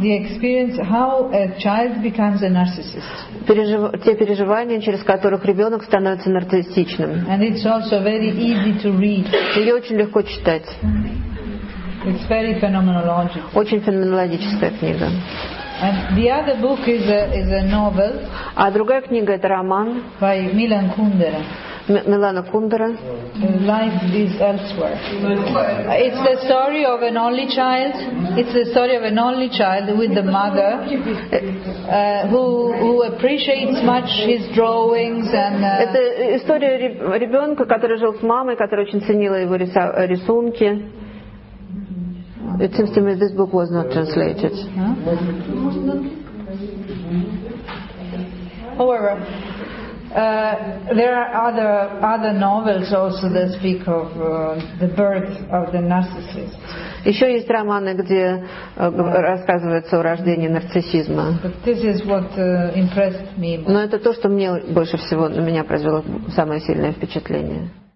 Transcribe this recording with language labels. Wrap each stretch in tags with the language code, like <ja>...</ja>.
<en>the experience, how a child becomes a narcissist.</en> <ru>Те переживания, через которых ребенок становится нарциссичным.</ru> <en>And it's also very easy to read.</en> <ru>Ее очень легко читать.</ru> <en>It's very phenomenological.</en> <ru>Очень феноменологическая книга.</ru> <en>And the other book is a novel.</en> <ru>А другая книга это роман.</ru> <en>By Milan Kundera.</en> <ru>Милана Кундера.</ru> <en>Life is elsewhere. It's the story of an only child. It's the story of an only child with the mother, who appreciates much his drawings and.</en> <ru>Это история ребенка, который жил с мамой, которая очень ценила его рисунки.</ru> <en>It seems to me this book was not translated. However. There are other novels also that speak of the birth of the narcissist.</en> <ru>Еще есть романы, где рассказывается о рождении нарциссизма.</ru> <en>But this is what impressed me.</en> <ru>Но это то, что мне больше всего на меня произвело самое сильное впечатление.</ru>